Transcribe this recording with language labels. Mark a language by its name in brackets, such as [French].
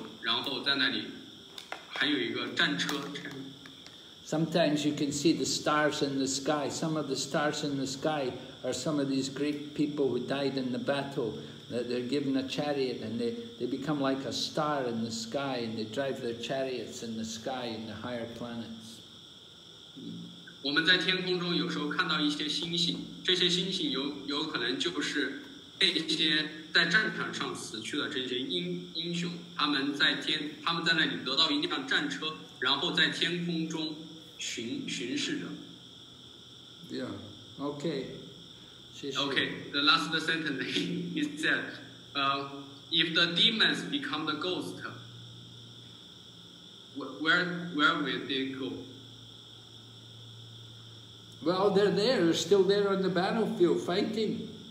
[Chinese] 通常情况下就是说这死去他们会去到高等的星球然后在那里还有一个战车。 [English] Sometimes you can see the stars in the sky. Some of the stars in the sky are some of these great people who died in the battle. That they're given a chariot and they become like a star in the sky and they drive their chariots in the sky in the higher planets. [Chinese] 我们在天空中有时候看到一些星星，这些星星有可能就是那些在战场上死去的这些英雄，他们在天空中巡视着。 [English] Yeah, okay. Okay, the last sentence is that if the demons become the ghost, where will they go? Well, they're there, they're still there on the battlefield fighting.